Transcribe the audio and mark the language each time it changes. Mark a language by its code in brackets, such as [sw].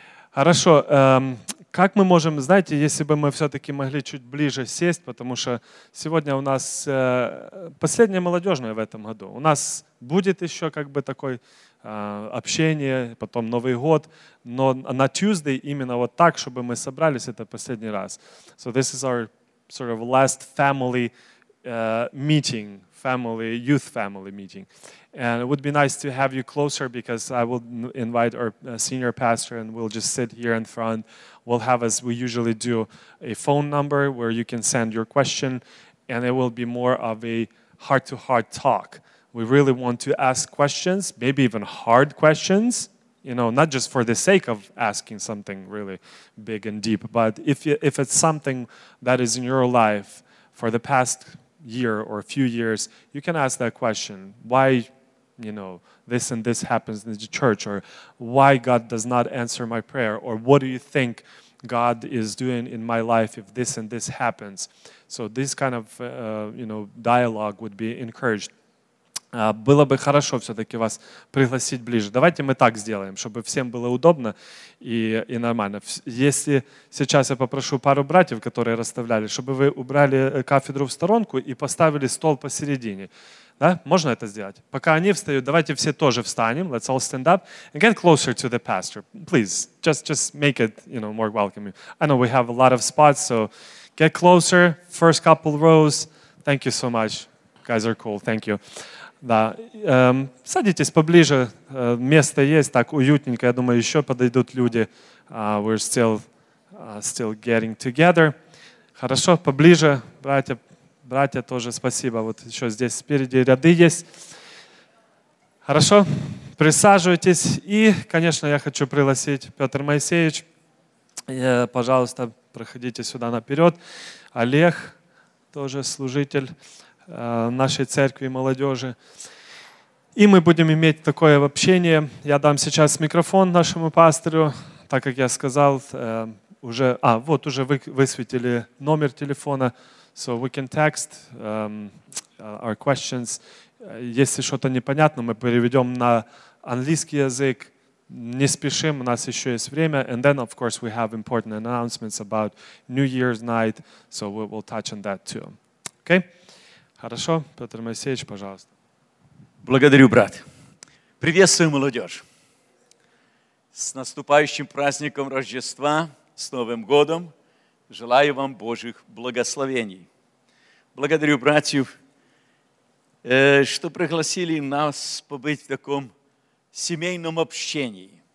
[ru] Хорошо. Как мы можем, знаете, если бы мы все-таки могли чуть ближе сесть, потому что сегодня у нас последнее молодежное в этом году. У нас будет еще как бы такое общение, потом Новый год, но на Tuesday именно вот так, чтобы мы собрались, это последний раз. [en] So this is our sort of last family meeting, family, youth family meeting. And it would be nice to have you closer because I will invite our senior pastor and we'll just sit here in front. We'll have, as we usually do, a phone number where you can send your question and it will be more of a heart-to-heart talk. We really want to ask questions, maybe even hard questions, you know, not just for the sake of asking something really big and deep, but if it's something that is in your life for the past year or a few years, you can ask that question. Why, you know, this and this happens in the church, or why God does not answer my prayer, or what do you think God is doing in my life if this and this happens? So this kind of, you know, dialogue would be encouraged. [ru] Было бы хорошо все-таки вас пригласить ближе. Давайте мы так сделаем, чтобы всем было удобно и нормально. Если сейчас я попрошу пару братьев, которые расставляли, чтобы вы убрали кафедру в сторонку и поставили стол посередине. Да? Можно это сделать? Пока они встают, давайте все тоже встанем. [en] Let's all stand up and get closer to the pastor. Please, just make it, you know, more welcoming. I know we have a lot of spots, so get closer. First couple rows. Thank you so much. Guys are cool. Thank you. [ru] Да, садитесь поближе, место есть, так уютненько, я думаю, еще подойдут люди. [en] We're still getting together. [ru] Хорошо, поближе, братья тоже, спасибо. Вот еще здесь спереди ряды есть. Хорошо, присаживайтесь. И, конечно, я хочу пригласить Петр Моисеевич. Пожалуйста, проходите сюда наперед. Олег, тоже служитель нашей церкви и молодежи. И мы будем иметь такое общение. Я дам сейчас микрофон нашему пастору, так как я сказал, уже... А, вот, уже вы высветили номер телефона. [en] So we can text our questions. [ru] Если что-то непонятно, мы переведем на английский язык. Не спешим, у нас еще есть время. [en] And then, of course, we have important announcements about New Year's night. So we will touch on that too. Okay? [ru] Хорошо, Петр Моисеевич, пожалуйста. Благодарю, брат. Приветствую молодежь. С наступающим праздником Рождества, с Новым годом. Желаю вам Божьих благословений. Благодарю братьев, что пригласили нас побыть в таком семейном общении.